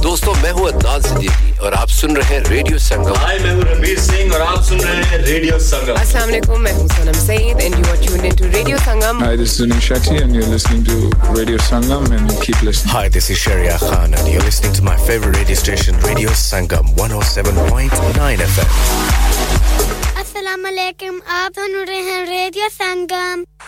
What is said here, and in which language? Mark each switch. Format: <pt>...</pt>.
<hi>दोस्तों मैं हूँ अदनान सिद्दीकी और आप सुन रहे हैं Radio Sangam. Hi, मैं हूँ रणबीर सिंह और आप सुन रहे हैं Radio Sangam.</hi> <en>Assalamualaikum,</en> <hi>मैं हूँ</hi> <en>सलाम Saeed and you are tuned into Radio Sangam. Hi, this is Anil Shetty and you're listening to Radio Sangam and keep listening. Hi, this is Sharia Khan and you're listening to my favorite radio station Radio Sangam 107.9 FM.</en> <hi>Assalamualaikum, आप सुन रहे हैं Radio Sangam.</hi>